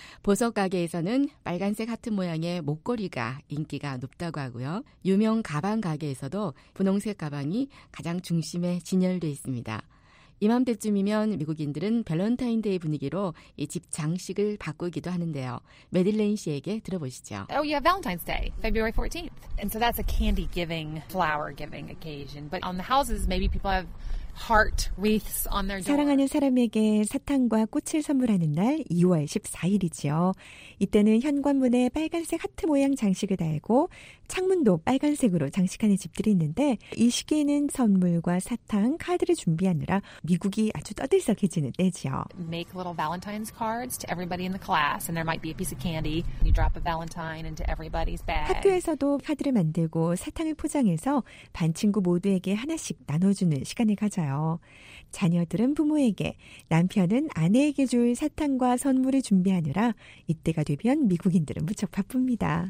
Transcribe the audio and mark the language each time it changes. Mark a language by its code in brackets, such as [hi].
[ko] 보석 가게에서는 빨간색 하트 모양의 목걸이가 인기가 높다고 하고요. 유명 가방 가게에서도 분홍색 가방이 가장 중심에 진열돼 있습니다. 이맘때쯤이면 미국인들은 밸런타인데이 분위기로 이 집 장식을 바꾸기도 하는데요. 메들레인 씨에게 들어보시죠. [en] Oh yeah, Valentine's Day, February 14th. And so that's a candy giving, flower giving occasion. But on the houses, maybe people have heart wreaths on their door. [ko] 사랑하는 사람에게 사탕과 꽃을 선물하는 날 2월 14일이죠. 이때는 현관문에 빨간색 하트 모양 장식을 달고 창문도 빨간색으로 장식하는 집들이 있는데 이 시기에는 선물과 사탕, 카드를 준비하느라 미국이 아주 떠들썩해지는 때죠. [en] Make little Valentine's cards to everybody in the class and there might be a piece of candy. You drop a Valentine into everybody's bag. [ko] 학교에서도 카드를 만들고 사탕을 포장해서 반 친구 모두에게 하나씩 나눠주는 시간을 가져요. 자녀들은 부모에게, 남편은 아내에게 줄 사탕과 선물을 준비하느라 이때가 되면 미국인들은 무척 바쁩니다.